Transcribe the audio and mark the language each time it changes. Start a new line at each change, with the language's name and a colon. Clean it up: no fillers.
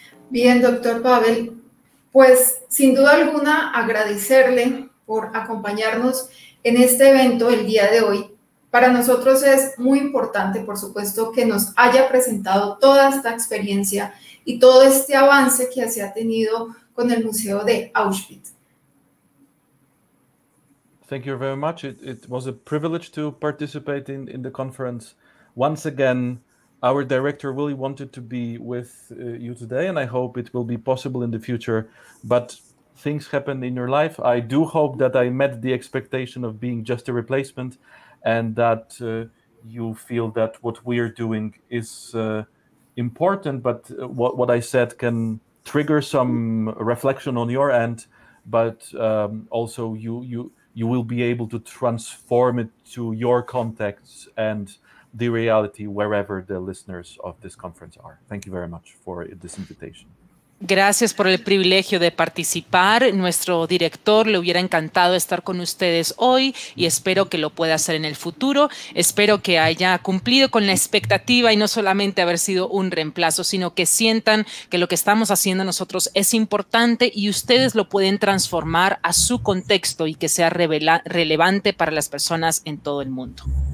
Spanish: Bien, doctor Pavel, pues sin duda alguna agradecerle por acompañarnos en este evento el día de hoy. Para nosotros es muy importante, por supuesto, que nos haya presentado toda esta experiencia y todo este avance que se ha tenido con el Museo de Auschwitz.
English: Thank you very much. It was a privilege to participate in the conference. Once again, our director really wanted to be with you today, and I hope it will be possible in the future. But things happen in your life. I do hope that I met the expectation of being just a replacement, and that you feel that what we are doing is important, but what I said can trigger some reflection on your end, but also you will be able to transform it to your context and the reality wherever the listeners of this conference are. Thank you very much for this invitation.
Spanish: Gracias por el privilegio de participar. Nuestro director le hubiera encantado estar con ustedes hoy y espero que lo pueda hacer en el futuro. Espero que haya cumplido con la expectativa y no solamente haber sido un reemplazo, sino que sientan que lo que estamos haciendo nosotros es importante y ustedes lo pueden transformar a su contexto y que sea relevante para las personas en todo el mundo.